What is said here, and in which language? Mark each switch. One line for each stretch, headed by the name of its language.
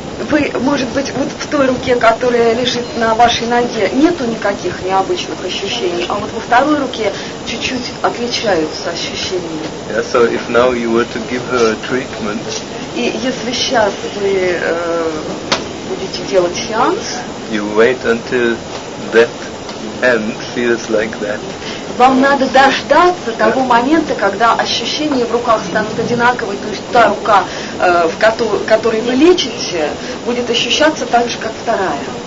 Russian: Вы, может быть, вот в той руке, которая лежит на вашей ноге, нету никаких необычных ощущений, а вот во второй руке чуть-чуть отличаются ощущения.
English: Yeah, so if now you were to give her a treatment,
Russian: и если сейчас вы будете делать сеанс,
English: you wait until that end feels like that.
Russian: Вам надо дождаться того момента, когда ощущения в руках станут одинаковыми, то есть та рука, в которой вы лечите, будет ощущаться так же, как вторая.